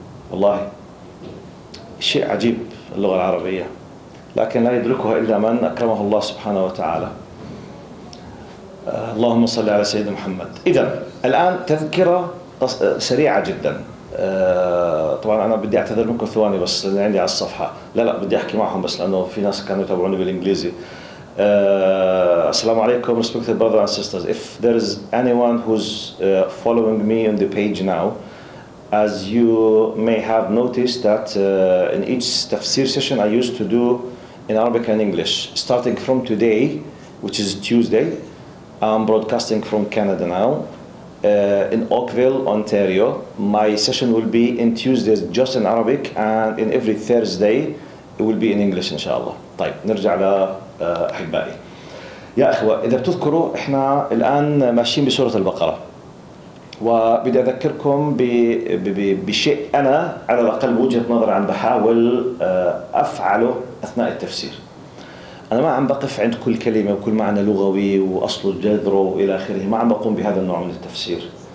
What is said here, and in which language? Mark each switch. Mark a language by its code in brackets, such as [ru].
[ar] والله شيء عجيب اللغة العربية، لكن لا يدركها إلا من أكرمه الله سبحانه وتعالى. اللهم صل على سيدنا محمد. إذن الآن تذكرة سريعة جدا، طبعا أنا بدي أعتذر منكم ثواني بس لأن عندي على الصفحة، لا بدي أحكي معهم بس لأنه في ناس كانوا يتابعوني بالإنجليزي. السلام عليكم [en] respected brothers and sisters. If there is anyone who's following me on the page now, as you may have noticed that in each tafsir session I used to do in Arabic and English. Starting from today, which is Tuesday, I'm broadcasting from Canada now. In Oakville, Ontario, my session will be in Tuesdays just in Arabic, and in every Thursday it will be in English, inshallah. [ar] طيب نرجع لأحبائي. يا أخوة، إذا بتذكروا إحنا الآن ماشيين بسورة البقرة، وبدي أذكركم بشيء أنا على الأقل وجهة نظري عن بحاول أفعله أثناء التفسير. أنا ما عم بقف عند كل كلمة وكل معنى لغوي وأصله جذره إلى آخره، ما عم بقوم بهذا النوع من التفسير.